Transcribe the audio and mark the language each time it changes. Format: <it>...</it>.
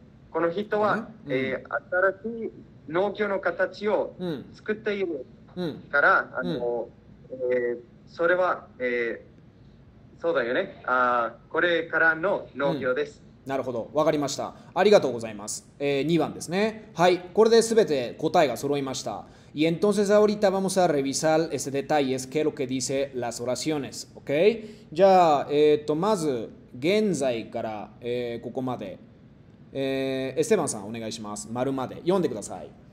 <ja>この人は、うん、新しい農業の形を作っているから、うんうん、それは、そうだよね。これからの農業です、うん、なるほど、わかりました。ありがとうございます。2番ですね。はい、これで全て答えが揃いました。</ja> <es>Y entonces ahorita vamos a revisar ese detalle, es que lo que dice las oraciones, ¿ok?</es> <ja>じゃあ、まず現在から、ここまで、エステバンさんお願いします。丸まで読んでください。</ja>